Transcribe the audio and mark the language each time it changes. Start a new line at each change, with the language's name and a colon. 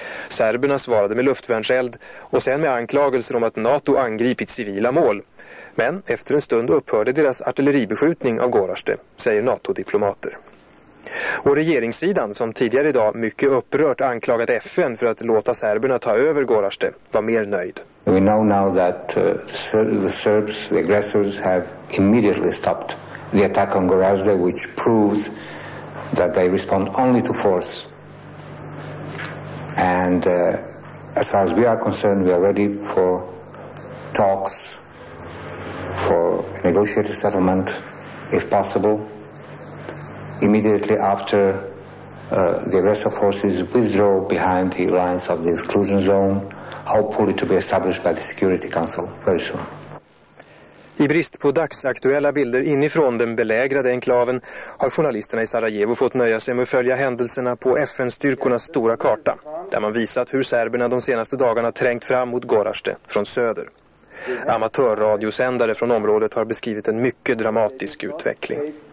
Swedish: Serberna svarade med luftvärnseld och sen med anklagelser om att NATO angripit civila mål. Men efter en stund upphörde deras artilleribeskjutning av Gorazde, säger NATO-diplomater. Och regeringssidan, som tidigare idag mycket upprört anklagat FN för att låta serberna ta över Gorazde, var mer nöjd.
English: We know now that the Serbs, the aggressors, have immediately stopped the attack on Gorazde, which proves that they respond only to force. And as far as we are concerned, we are ready for talks, for a negotiated settlement, if possible, immediately after the aggressor forces withdraw behind the lines of the exclusion zone. Hopefully to be established by the Security Council very soon.
Swedish: I brist på dagsaktuella bilder inifrån den belägrade enklaven har journalisterna i Sarajevo fått nöja sig med att följa händelserna på FN-styrkornas stora karta, där man visat hur serberna de senaste dagarna trängt fram mot Gorazde från söder. Amatörradiosändare från området har beskrivit en mycket dramatisk utveckling.